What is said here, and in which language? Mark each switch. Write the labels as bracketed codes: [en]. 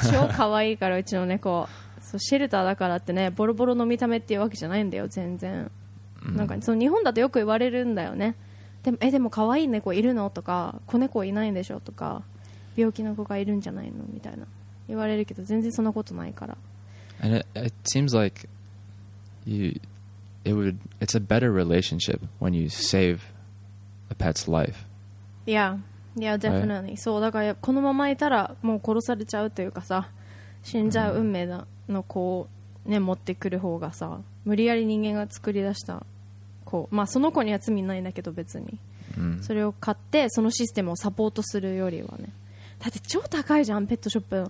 [ja] 超可愛いからうちの猫。そう、シェルターだからってね、ボロボロの見た目っていうわけじゃないんだよ、全然。なんかその日本だとよく言われるんだよね。でも可愛い猫いるのとか、子猫いないんでしょとか、病気の子がいるんじゃないのみたいな。言われるけど全然そんなことないから。 [en] And it seems like it's a better relationship when you save a pet's life. Yeah, yeah, definitely. [ja] Right? そうだからこのままいたらもう殺されちゃうというかさ、死んじゃう運命の子をね持ってくる方がさ、無理やり人間が作り出した子、まあその子には罪ないんだけど別に。それを買ってそのシステムをサポートするよりはね、だって超高いじゃんペットショップの。